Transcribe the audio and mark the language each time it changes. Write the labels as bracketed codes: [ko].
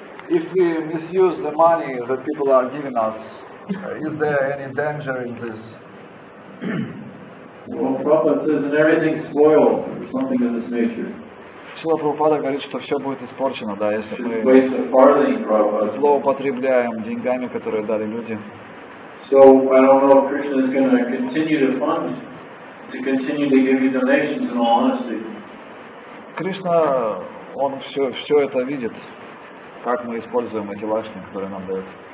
[en] If we misuse the money that people are giving us, is there any danger in this? Well, Prabhupada says that everything is spoiled or something of this nature. [ru] Шрила Прабхупада говорит, что все будет испорчено, да, если мы злоупотребляем деньгами, которые дали люди. [en] So I don't know if Krishna is going to continue to fund, to continue to give you donations in all honesty. [ru] Кришна, он все это видит, как мы используем эти лакшми, которые нам дают.